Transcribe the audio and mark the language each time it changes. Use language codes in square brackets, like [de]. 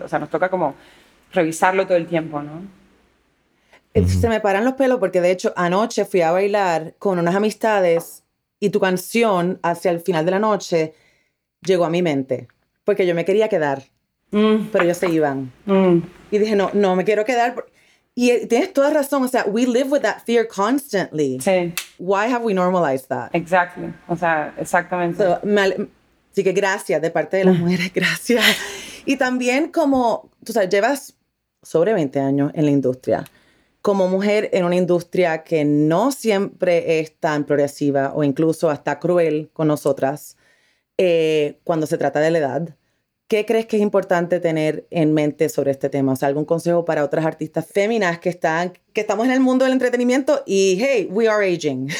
[es] O sea, nos toca como revisarlo todo el tiempo, ¿no? Se me paran los pelos porque, de hecho, anoche fui a bailar con unas amistades y tu canción, hacia el final de la noche, llegó a mi mente. Porque yo me quería quedar, pero ellos se iban. Y dije, no me quiero quedar. Y tienes toda razón, o sea, [en] we live with that fear constantly. [es] Sí. [en] Why have we normalized that? [es] Exactly, o sea, exactamente. Así que gracias, de parte de las mujeres, gracias. Y también como, tú sabes, llevas sobre 20 años en la industria. Como mujer en una industria que no siempre es tan progresiva o incluso hasta cruel con nosotras, cuando se trata de la edad, ¿qué crees que es importante tener en mente sobre este tema? O sea, ¿algún consejo para otras artistas féminas que estamos en el mundo del entretenimiento y, hey, [en] we are aging?